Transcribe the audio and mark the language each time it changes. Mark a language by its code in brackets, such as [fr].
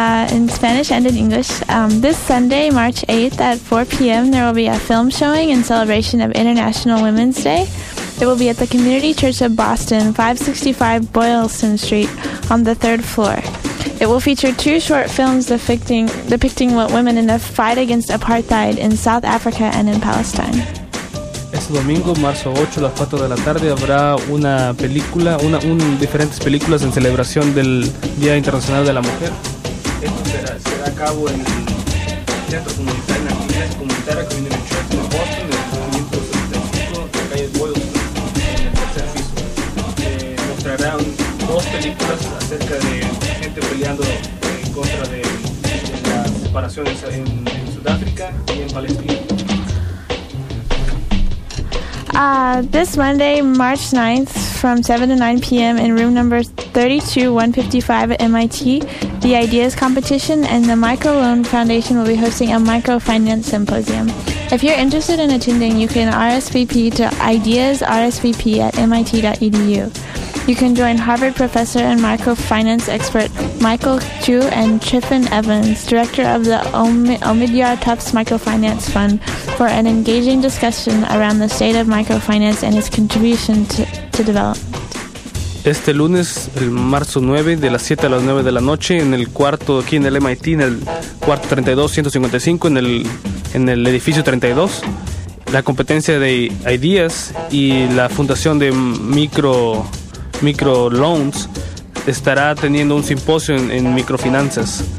[en] in Spanish and in English. This Sunday, March 8th at 4 p.m., there will be a film showing in celebration of International Women's Day. It will be at the Community Church of Boston, 565 Boylston Street, on the third floor. It will feature two short films depicting what women in the fight against apartheid in South Africa and in Palestine. [es] Este domingo, marzo 8, a las 4 de la tarde, habrá una película, diferentes películas en celebración del Día Internacional de la Mujer. Esto será a cabo en el Teatro Comunitario, en la Comunidad Comunitaria Community Church de Boston, en el 565 de la calle Boylston, en el tercer piso. Mostrará dos películas acerca de gente peleando en contra de la separación en Sudáfrica y en Palestina. [en] This Monday, March 9th, from 7 to 9 p.m. in room number 32155 at MIT, the Ideas Competition and the Microloan Foundation will be hosting a microfinance symposium. If you're interested in attending, you can RSVP to ideasrsvp at mit.edu. You can join Harvard professor and microfinance expert Michael Chu and Triffin Evans, director of the Omidyar Tufts Microfinance Fund, for an engaging discussion around the state of microfinance and its contribution to development. [es] Este lunes, el marzo 9, de las 7 a las 9 de la noche, en el cuarto aquí en el MIT, en el cuarto 32155, en el edificio 32, la competencia de Ideas y la fundación de Microloans estará teniendo un simposio en microfinanzas.